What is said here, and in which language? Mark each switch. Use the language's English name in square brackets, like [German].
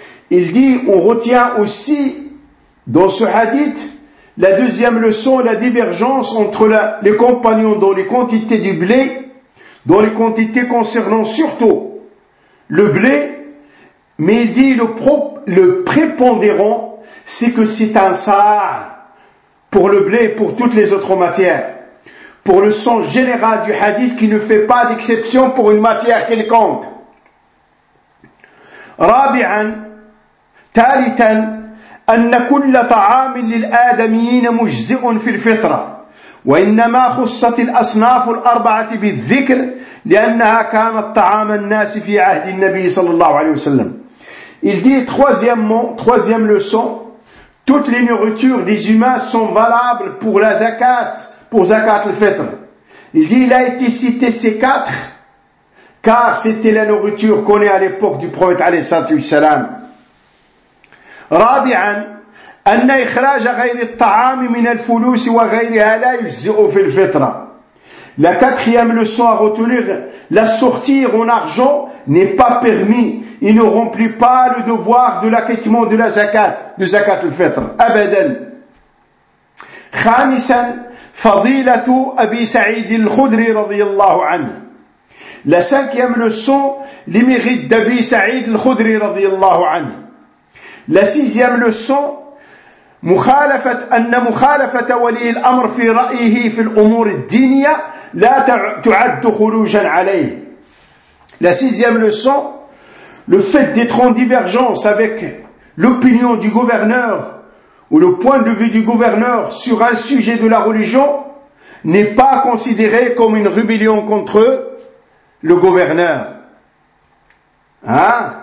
[French] Il dit, on retient aussi dans ce hadith, la deuxième leçon, la divergence entre les compagnons dans les quantités du blé, dans les quantités concernant surtout le blé, mais il dit le prépondérant, c'est que c'est un sa' pour le blé et pour toutes les autres matières. Pour le sens général du hadith qui ne fait pas d'exception pour une matière quelconque. [Arabic] Rabi'an, talitan, أن كل طعام للآدميين مجزئ في الفطرة وإنما خصت الأصناف الأربعة بالذكر لأنها كانت طعام الناس في عهد النبي صلى الله عليه وسلم. [French] Il dit troisième leçon, toutes les nourritures des humains sont valables pour la zakat, pour zakat al-fitr. Il dit il a été cité ces quatre car c'était la nourriture qu'on est à l'époque du prophète عليه الصلاة والسلام. [Arabic] رابعا أن إخراج غير الطعام من الفلوس وغيرها لا يجزئ في الفطرة. [French] La quatrième leçon à retenir, la sortir en argent n'est pas permis. Il ne remplit pas le devoir de l'acquittement de la zakat, de zakat al-fitr. [Arabic] أبدا. خامسا فضيلة أبي سعيد الخدري رضي الله عنه. [French] La cinquième leçon, les mérites d'Abi Saïd al-Khudri رضي الله عنه. La sixième leçon, [Arabic] أن مخالفة ولي الأمر في رأيه في الأمور الدينية لا تعد خروجا عليه. [French] La sixième leçon, le fait d'être en divergence avec l'opinion du gouverneur ou le point de vue du gouverneur sur un sujet de la religion n'est pas considéré comme une rébellion contre le gouverneur. Hein?